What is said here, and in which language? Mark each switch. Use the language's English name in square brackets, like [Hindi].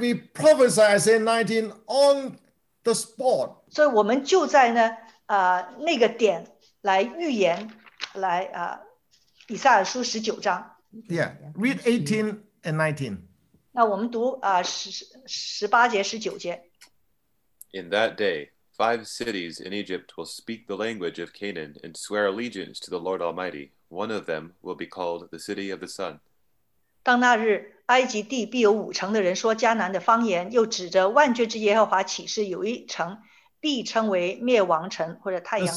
[English] we prophesied Isaiah 19 on the spot. [Chinese] 所以我们就在呢那个点来预言来以赛亚书十九章。Yeah, [English] read 18 and 19. [Chinese] 那我们读十八节十九节。 [English] In that day, five cities in Egypt will speak the language of Canaan and swear allegiance to the Lord Almighty. One of them will be called the City of the Sun. [Chinese] 当那日 埃及地必有五成的人说迦南的方言，又指着万军之耶和华起誓，有一城必称为灭亡城或者太阳城。